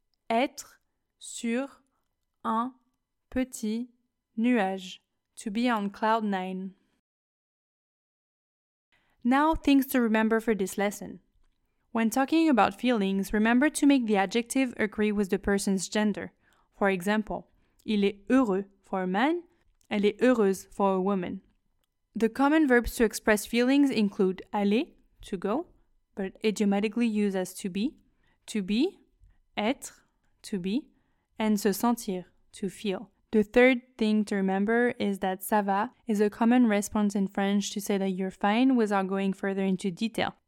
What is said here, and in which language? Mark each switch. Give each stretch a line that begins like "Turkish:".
French: Être sur un petit nuage.
English: To be on cloud nine. Now, things to remember for this lesson. When talking about feelings, remember to make the adjective agree with the person's gender. For example,
French: il est heureux
English: for a man,
French: elle est heureuse
English: for a woman. The common verbs to express feelings include aller, to go, but idiomatically used as to be, être, to be, and se sentir, to feel. The third thing to remember is that ça va is a common response in French to say that you're fine without going further into detail.